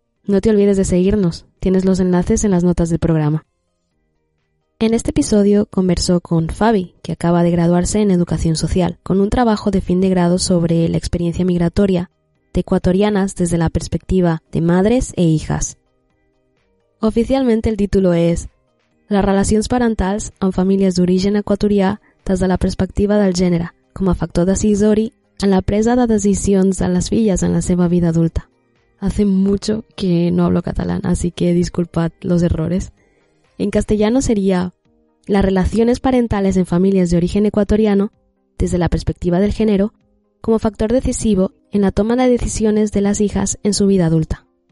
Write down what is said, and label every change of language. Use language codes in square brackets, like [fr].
[es] No te olvides de seguirnos, tienes los enlaces en las notas del programa. En este episodio conversó con Fabi, que acaba de graduarse en Educación Social, con un trabajo de fin de grado sobre la experiencia migratoria de ecuatorianas desde la perspectiva de madres e hijas. Oficialmente el título es [ca] Las relacions parentals amb famílies d'origen ecuatorià des de la perspectiva del gènere, com a factor decisori en la presa de decisions de les filles en la seva vida adulta. [es] Hace mucho que no hablo catalán, así que disculpad los errores. En castellano sería Las relaciones parentales en familias de origen ecuatoriano desde la perspectiva del género como factor decisivo en la toma de decisiones de las hijas en su vida adulta.